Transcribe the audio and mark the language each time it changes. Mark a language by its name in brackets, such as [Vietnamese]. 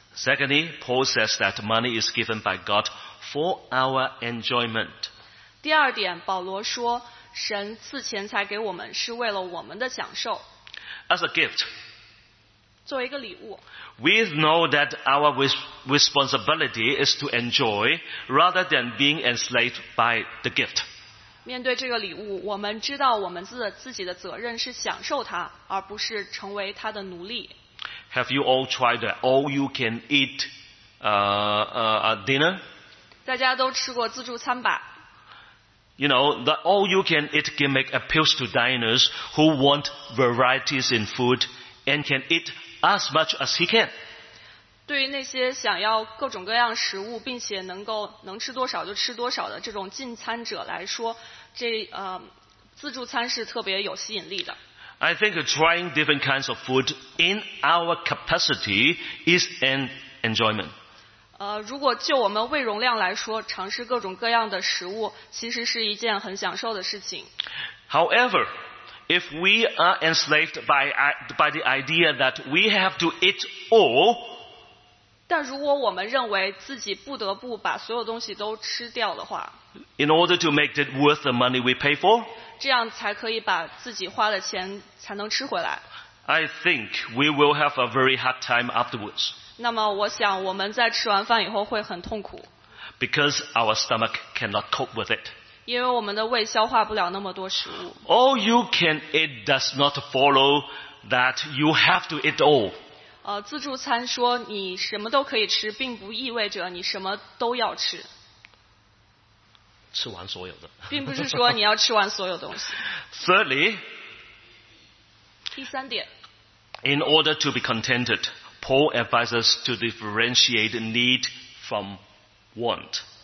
[English] Secondly, Paul says that money is given by God for our enjoyment. [Chinese] 第二点，保罗说，神赐钱财给我们是为了我们的享受。 [English] As a gift, [Chinese] 作为一个礼物， [English] we know that our responsibility is to enjoy rather than being enslaved by the gift. [Chinese] 面对这个礼物，我们知道我们自己的责任是享受它，而不是成为它的奴隶。 [English] Have you all tried the all-you-can-eat dinner? [Chinese] 大家都吃过自助餐吧？ [English] You know, the all-you-can-eat gimmick appeals to diners who want varieties in food and can eat as much as he can. [Chinese] 对于那些想要各种各样食物并且能吃多少就吃多少的这种进餐者来说，这自助餐是特别有吸引力的。 [English] I think trying different kinds of food in our capacity is an enjoyment. [Chinese] 如果就我们胃容量来说，尝试各种各样的食物，其实是一件很享受的事情。 [English] However, if we are enslaved by the idea that we have to eat all, [Chinese] 但如果我们认为自己不得不把所有东西都吃掉的话， [English] in order to make it worth the money we pay for, [Chinese] 这样才可以把自己花的钱才能吃回来。 [English] I think we will have a very hard time afterwards. [Chinese] 那么我想我们在吃完饭以后会很痛苦。 [English] Because our stomach cannot cope with it. [Chinese] 因为我们的胃消化不了那么多食物。 [English] All you can eat does not follow that you have to eat all. [Chinese] 自助餐说你什么都可以吃，并不意味着你什么都要吃。吃完所有的，并不是说你要吃完所有东西。 [English] Thirdly, [Chinese] 第三点， [English] In order to be contented, Paul advises to differentiate need from want.